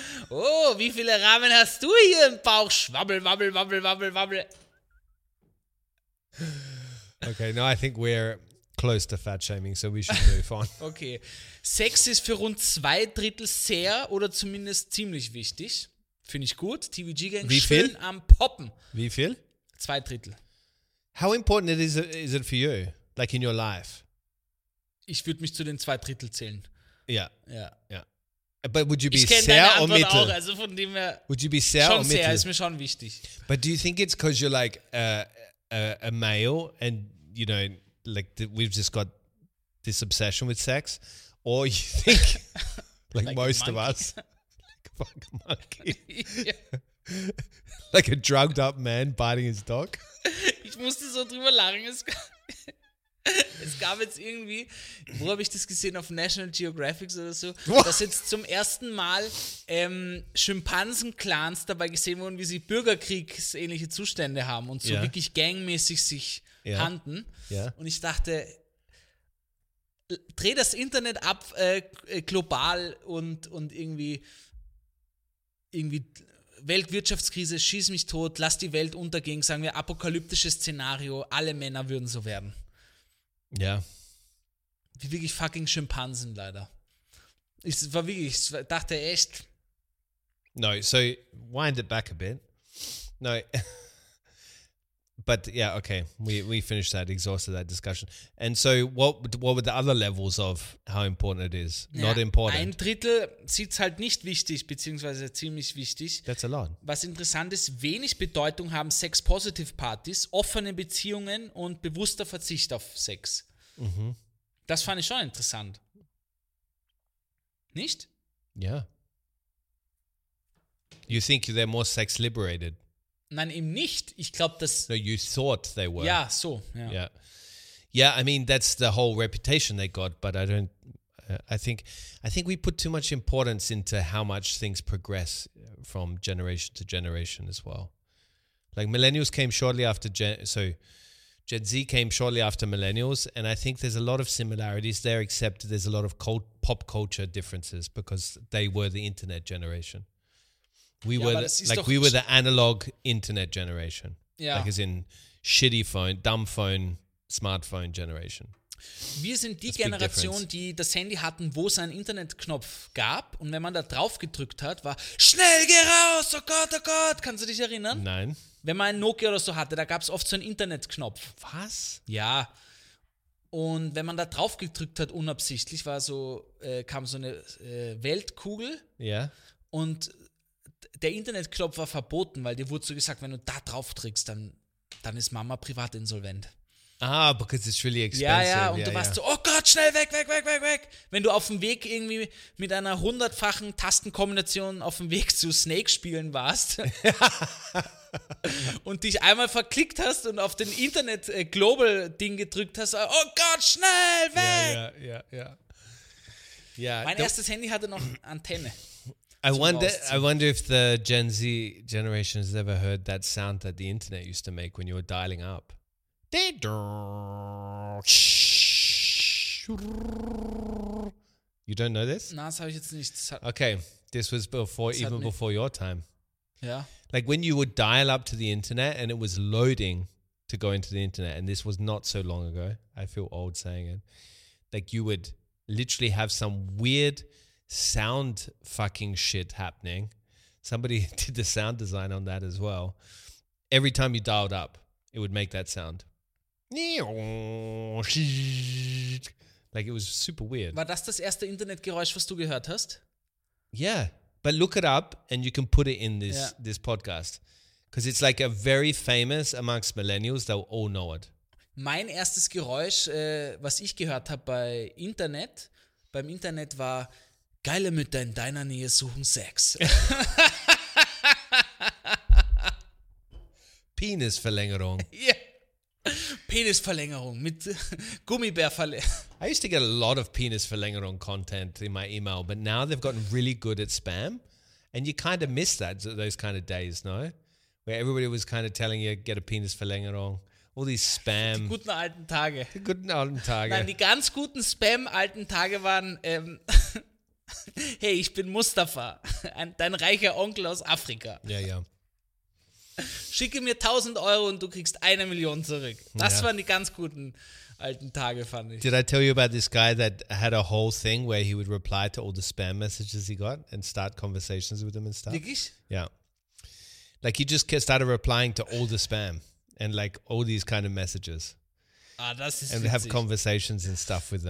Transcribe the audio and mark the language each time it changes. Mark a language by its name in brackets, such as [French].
[German] Oh, wie viele Ramen hast du hier im Bauch? Schwabbel, wabbel, wabbel, wabbel, wabbel. [English] Okay, now I think we're close to fat shaming, so we should move on. Okay. [German] Sex ist für rund 2/3 sehr oder zumindest ziemlich wichtig. Finde ich gut. TVG Gang schön am Poppen. Wie viel? 2/3. [English] How important is it for you, like in your life? [German] Ich würde mich zu den 2/3 zählen. Ja. Ja. Ja. [English] But would you be [German] sehr oder mittel? Auch, also von dem her. [English] Would you be sehr [German] schon [English] or mittel? [German] Sehr ist mir schon wichtig. [English] But do you think it's because you're like a male and you know, like we've just got this obsession with sex, or you think like most of us, like a fucking monkey, like a drugged up man biting his dog? [German] Ich musste so drüber lachen. Es gab jetzt irgendwie, wo habe ich das gesehen, auf National Geographic oder so, what? Dass jetzt zum ersten Mal Schimpansen-Clans dabei gesehen wurden, wie sie bürgerkriegsähnliche Zustände haben und so yeah. wirklich gangmäßig sich yeah. handeln. Yeah. Und ich dachte, dreh das Internet ab global und irgendwie Weltwirtschaftskrise, schieß mich tot, lass die Welt untergehen, sagen wir, apokalyptisches Szenario, alle Männer würden so werden. Ja. Wie wirklich fucking Schimpansen, leider. Ich war wirklich, ich dachte echt. [English] No, so wind it back a bit. No. But yeah, okay. We finished that, exhausted that discussion. And so what were the other levels of how important it is? Ja, not important. [German] 1/3 sieht's halt nicht wichtig, beziehungsweise ziemlich wichtig. [English] That's a lot. [German] Was interessant ist, wenig Bedeutung haben Sex-Positive-Partys, offene Beziehungen und bewusster Verzicht auf Sex. Mhm. Das fand ich schon interessant. Nicht? Ja. Yeah. [English] You think they're more sex-liberated? [German] Nein, eben nicht. Ich glaube, dass... [English] No, you thought they were. [German] Ja, so. Ja. [English] Yeah. Yeah, I mean, that's the whole reputation they got, but I don't... I think we put too much importance into how much things progress from generation to generation as well. Like, millennials came shortly after... Gen Z came shortly after millennials, and I think there's a lot of similarities there, except there's a lot of pop culture differences because they were the internet generation. We were the analog internet generation. Yeah. Like as in shitty phone, dumb phone, smartphone generation. [German] Wir sind die Generation, die das Handy hatten, wo es einen Internetknopf gab. Und wenn man da drauf gedrückt hat, war schnell geh raus, oh Gott, kannst du dich erinnern? Nein. Wenn man ein Nokia oder so hatte, da gab es oft so einen Internetknopf. Was? Ja. Und wenn man da drauf gedrückt hat, unabsichtlich, war so, kam so eine Weltkugel. Ja. Yeah. Und der Internetknopf war verboten, weil dir wurde so gesagt, wenn du da drauf drückst, dann ist Mama privat insolvent. [English] Ah, because it's really expensive. [German] Ja, ja, und yeah, du warst yeah. so, oh Gott, schnell weg, weg, weg, weg, weg. Wenn du auf dem Weg irgendwie mit einer 100-fachen Tastenkombination auf dem Weg zu Snake spielen warst und dich einmal verklickt hast und auf den Internet-Global-Ding gedrückt hast, oh Gott, schnell weg. Ja, ja, ja. Ja. Mein erstes Handy hatte noch Antenne. [English] I wonder if the Gen Z generation has ever heard that sound that the internet used to make when you were dialing up. You don't know this? [German] Na, das habe ich jetzt nicht. [English] Okay, this was before even nicht. Before your time. Yeah. Like when you would dial up to the internet and it was loading to go into the internet, and this was not so long ago. I feel old saying it. Like you would literally have some weird sound fucking shit happening. Somebody did the sound design on that as well. Every time you dialed up, it would make that sound. Like it was super weird. [German] War das das erste Internetgeräusch, was du gehört hast? [English] Yeah, but look it up and you can put it in this podcast. Because it's like a very famous amongst millennials, they'll all know it. [German] Mein erstes Geräusch, was ich gehört habe bei Internet, beim Internet war: geile Mütter in deiner Nähe suchen Sex. Penisverlängerung. [English] Yeah. [German] Penisverlängerung mit Gummibärverlängerung. [English] I used to get a lot of Penisverlängerung content in my email, but now they've gotten really good at spam. And you kind of miss that, those kind of days, no? Where everybody was kind of telling you, get a Penisverlängerung. All these spam. [German] Die guten alten Tage. Die guten alten Tage. Nein, die ganz guten spam-alten Tage waren, hey, ich bin Mustafa, dein reicher Onkel aus Afrika. Ja, yeah, ja. Yeah. Schicke mir 1000 Euro und du kriegst 1 Million zurück. Das yeah. waren die ganz guten alten Tage, fand ich. [English] Did I tell you about this guy that had a whole thing where he would reply to all the spam messages he got and start conversations with them and stuff? [German] Wirklich? [English] Yeah. Like he just started replying to all the spam. And like all these kind of messages. [German] Ah, das ist [English] and And have conversations and stuff with them.